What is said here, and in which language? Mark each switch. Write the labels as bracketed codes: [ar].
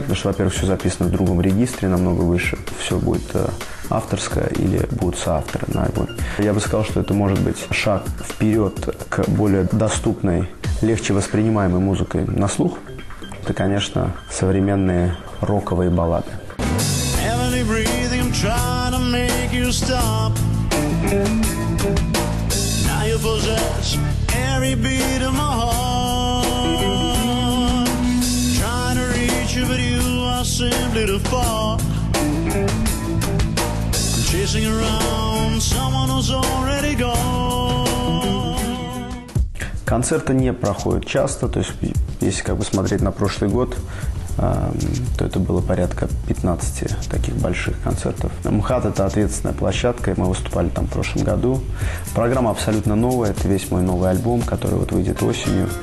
[ru] Потому что, во-первых, все записано в другом регистре, намного выше. Все будет авторское или будут соавторы на альбоме. Я бы сказал, что это может быть шаг вперед к более доступной, легче воспринимаемой музыке на слух. Это, конечно, современные роковые баллады. [en] Heavenly breathing, I'm trying to make you stop. Now you possess every beat of my heart. Trying to reach you, but you are simply too far. I'm chasing around someone who's already gone. [ru] Концерты не проходят часто, то есть если как бы смотреть на прошлый год, то это было порядка 15 таких больших концертов. МХАТ – это ответственная площадка, и мы выступали там в прошлом году. Программа абсолютно новая, это весь мой новый альбом, который вот выйдет осенью.